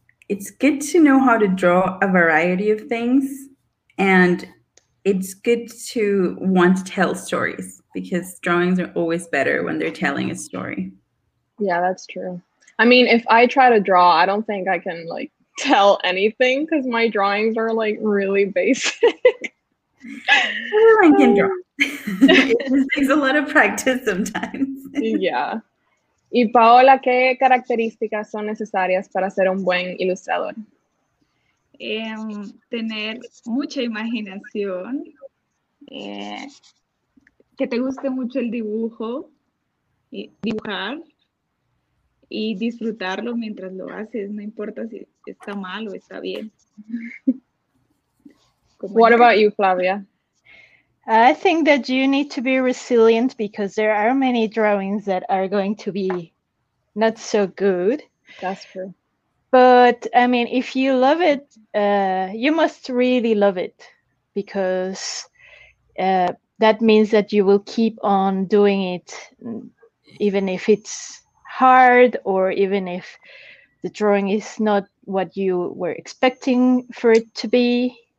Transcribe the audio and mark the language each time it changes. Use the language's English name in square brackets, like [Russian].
[English] It's good to know how to draw a variety of things, and it's good to want to tell stories because drawings are always better when they're telling a story. Yeah, that's true. I mean, if I try to draw, I don't think I can like tell anything because my drawings are like really basic. Everyone can draw. It just takes a lot of practice sometimes. Yeah. [Spanish] Y Paola, ¿qué características son necesarias para ser un buen ilustrador? Tener mucha imaginación, que te guste mucho el dibujo, y dibujar y disfrutarlo mientras lo haces, no importa si está mal o está bien. [English] What about you, Flavia? I think that you need to be resilient because there are many drawings that are going to be not so good. That's true. But I mean, if you love it, you must really love it because that means that you will keep on doing it even if it's hard or even if the drawing is not what you were expecting for it to be.